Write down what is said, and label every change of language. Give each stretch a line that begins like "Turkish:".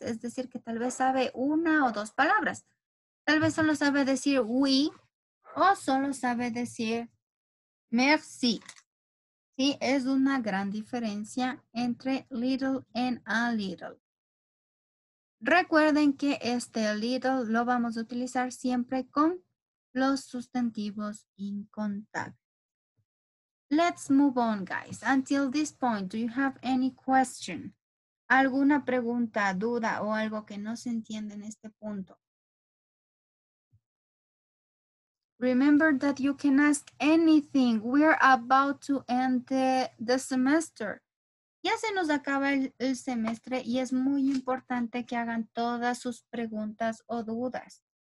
Spanish: Es decir, que tal vez sabe una o dos palabras. Tal vez solo sabe decir oui o solo sabe decir merci. Sí, es una gran diferencia entre little and a little. Recuerden que este little lo vamos a utilizar siempre con los sustantivos incontables.
English: Let's move on, guys. Until this point, do you have any question?
Spanish: ¿Alguna pregunta, duda o algo que no se entiende en este punto?
English: Remember that you can ask anything. We're about to end the semester.
Spanish: Ya se nos acaba el semestre y es muy importante que hagan todas sus preguntas o dudas.